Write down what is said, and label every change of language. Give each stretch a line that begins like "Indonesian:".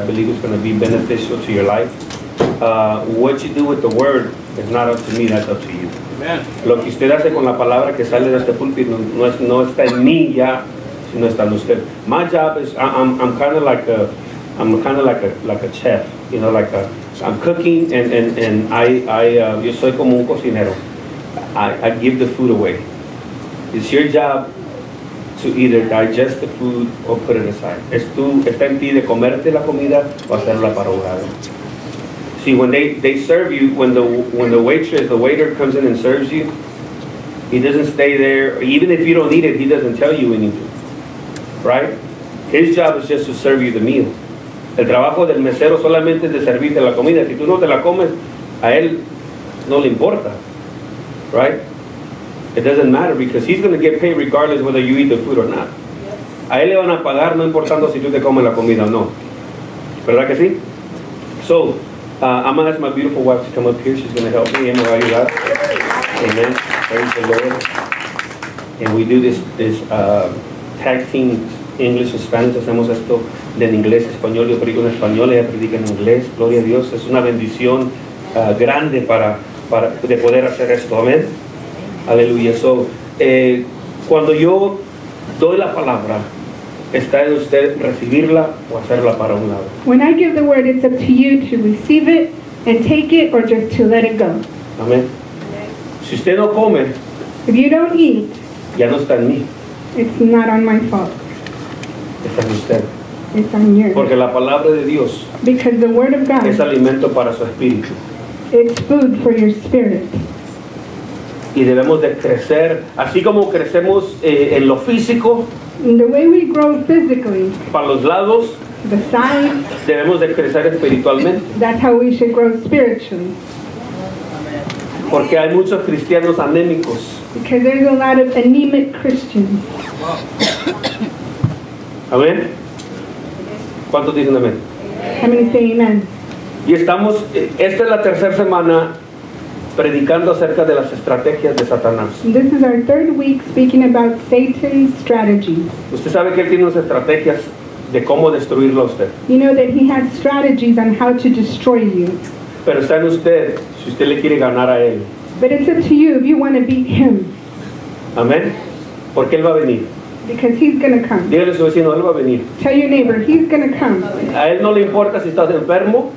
English: I believe it's going to be beneficial to your life. What you do with the word is not up to me, that's up to you. Amen.
Spanish: Lo que usted hace con la palabra que sale de este púlpito no está en mí ya, sino está en usted.
English: My job is, I'm kind of like a chef, you know, like a, I'm cooking and I
Spanish: yo soy como un cocinero.
English: I give the food away. It's your job to either digest the food or put it aside.
Spanish: Es tú, está en ti de comerte la comida o hacerla para orar.
English: See, when they serve you, when the waitress, the waiter comes in and serves you, he doesn't stay there. Even if you don't need it, he doesn't tell you anything. Right? His job is just to serve you the meal.
Spanish: El trabajo del mesero solamente es de servirte la comida. Si tú no te la comes, a él no le importa.
English: Right? It doesn't matter because he's going to get paid regardless whether you eat the food or not.
Spanish: A él le van a pagar no importando si tú te comes la comida o no. ¿Verdad que sí?
English: So, I'm going to ask my beautiful wife to come up here. She's going to help me. Amen. Amen. Praise the Lord. And we do this tag team English and Spanish.
Spanish: Hacemos esto en inglés, español. Yo predico en español, ella predica en inglés. Gloria a Dios. Es una bendición grande para de poder hacer esto. Amén. Aleluya. So, cuando yo doy la palabra, está en usted recibirla o hacerla para un lado.
English: When I give the word, it's up to you to receive it and take it or just to let it go.
Spanish: Amén. Si usted no come,
English: if you don't eat,
Spanish: ya no está en mí.
English: It's not on my fault.
Spanish: Está en usted.
English: It's on you.
Spanish: Porque la palabra de Dios,
English: because the word of God,
Spanish: es alimento para su espíritu.
English: It's food for your spirit.
Spanish: Y debemos de crecer, así como crecemos en lo físico,
English: the way we grow physically,
Spanish: para los lados,
English: the side,
Spanish: debemos de crecer espiritualmente.
English: That's how we should grow spiritually.
Spanish: Porque hay muchos cristianos anémicos.
English: Because there's a lot of anemic Christians.
Spanish: Amén. ¿Cuántos dicen amén?
English: How many say amen?
Spanish: Y estamos, esta es la tercera semana predicando acerca de las estrategias de Satanás.
English: This is our third week speaking about Satan's strategies.
Spanish: Usted sabe que él tiene unas estrategias de cómo destruirlo a usted.
English: You know that he has strategies on how to destroy you.
Spanish: Pero está en usted si usted le quiere ganar a él.
English: But it's up to you if you want to beat him.
Spanish: Amén. Porque él va a venir.
English: Because he's going to come.
Spanish: Dígale a su vecino, él va a venir.
English: Tell your neighbor, he's going to come.
Spanish: A él no le importa si estás enfermo.